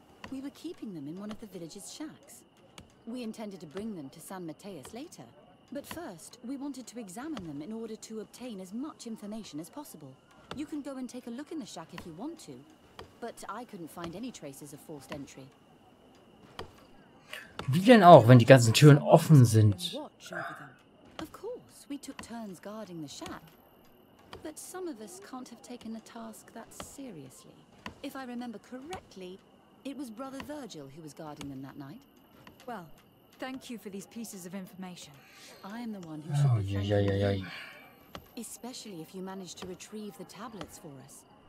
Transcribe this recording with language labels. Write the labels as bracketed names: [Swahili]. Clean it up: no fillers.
[English] We were keeping them in one of the village's shacks. We intended to bring them to San Mateus later. But first, we wanted to examine them in order to obtain as much information as possible. You can go and take a look in the shack if you want to, but I couldn't find any traces of forced entry. [German] Wie denn auch, wenn die ganzen Türen offen sind? [English] Of course, we took turns guarding the shack. But some of us can't have taken the task that seriously. If I remember correctly, It was Brother Virgil who was guarding them that night. Well, thank you for these pieces of information. I am the one who should be thanking you. Especially if you manage to retrieve the tablets for us.